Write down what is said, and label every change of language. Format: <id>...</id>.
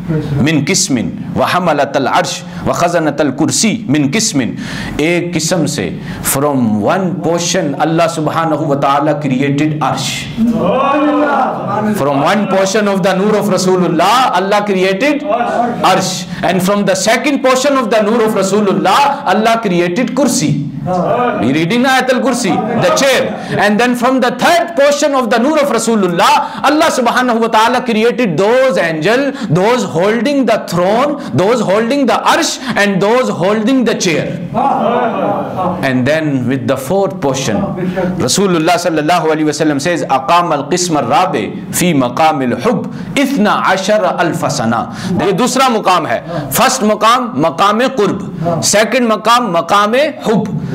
<ar>من قسم وحملت العرش وخزنة الكرسی من قسم,</ar> <ur>ایک قسم سے,</ur> <en>from one portion Allah سبحانہ وتعالی created عرش, from one portion of the نور of رسول اللہ اللہ created عرش, and from the second portion of the نور of رسول اللہ اللہ created کرسی. We reading ayat al-kursi, the chair, and then from the third portion of the نور of Rasulullah, Allah subhanahu wa ta'ala created those angels, those holding the throne, those holding the arsh, and those holding the chair. And then with the fourth portion, Rasulullah sallallahu alayhi wa sallam says,</en> <ar>اقام القسم الرابع في مقام الحب اثنا عشر الف سنة.</ar> <ur>یہ دوسرا مقام ہے. First مقام, مقام قرب. Second مقام, مقام حب.</ur>